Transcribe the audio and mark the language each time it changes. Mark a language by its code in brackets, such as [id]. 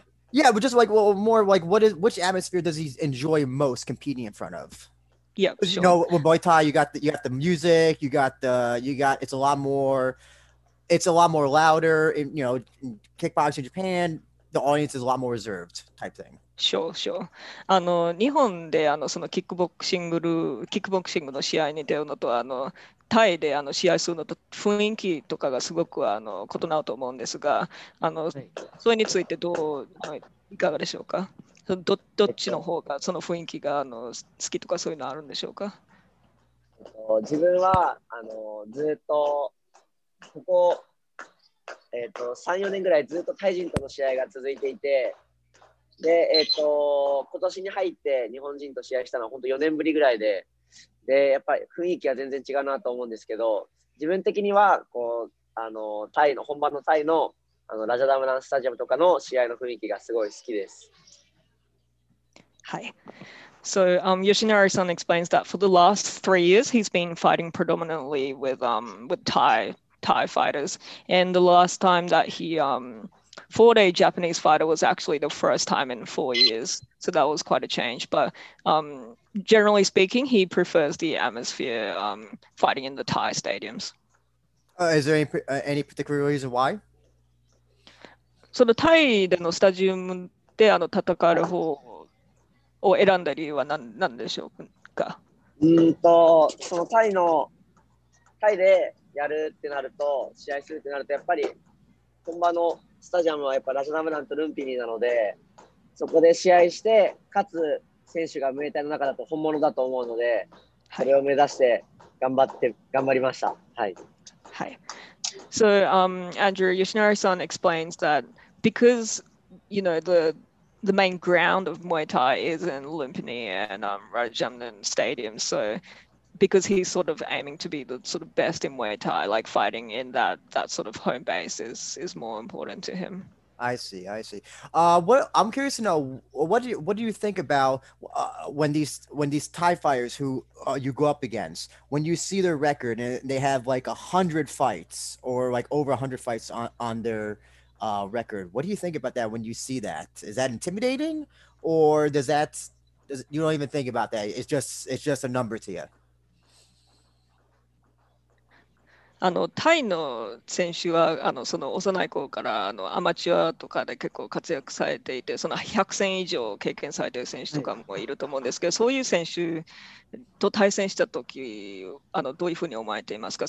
[en] Yeah, but just like, well, more like, what is, which atmosphere does he enjoy most competing in front of? Yeah, sure. You know, with Muay Thai, you got the music, it's a lot more, louder. In, you know, kickboxing in Japan, the audience is a lot more reserved type thing. Sure, sure. [ja] あの、日本で、あの、そのキックボクシングの試合に出るのと、あの、タイで、あの、試合するのと雰囲気とかがすごく、あの、異なると思うんですが、あの、はい、それについてどう、はい、いかがでしょうか？どっちの方がその雰囲気があの好きとかそういうのあるんでしょうか？自分はあのずっとここ、3、4年ぐらいずっとタイ人との試合が続いていて、で、今年に入って日本人と試合したのは本当4年ぶりぐらいで、でやっぱり雰囲気は全然違うなと思うんですけど、自分的にはこうあのタイの本場のタイ の, あのラジャダムランスタジアムとかの試合の雰囲気がすごい好きです。 [en] Hi. So Yoshinari-san explains that for the last 3 years, he's been fighting predominantly with Thai fighters. And the last time that he fought a Japanese fighter was actually the first time in 4 years. So that was quite a change. But generally speaking, he prefers the atmosphere fighting in the Thai stadiums. Is there any particular reason why? So the Thai [ja] でのスタジアムであの戦う方を選んだ理由は何でしょうか？そのタイでやるってなると、試合するってなると、やっぱり本場のスタジアムはやっぱラジャダムランとルンピニーなので、そこで試合して、かつ選手がムエタイの中だと本物だと思うので、それを目指して頑張りました。はい。はい。 [en] So, Andrew Yoshinari-san explains that because, you know, the main ground of Muay Thai is in Lumpini and Rajamnan Stadium. So because he's sort of aiming to be the sort of best in Muay Thai, like fighting in that sort of home base is more important to him. I see. I'm curious to know, what do you think about when these Thai fighters who you go up against, when you see their record and they have like 100 fights or like over 100 fights on their record, what do you think about that when you see that? Is that intimidating, or does you don't even think about that? It's just a number to you. [ja] あのタイの選手はあのその幼い頃からあのアマチュアとかで結構活躍されていて、その100戦以上経験されている選手とかもいると思うんですけど、はい、そういう選手と対戦した時あのどういうふうに思われていますか？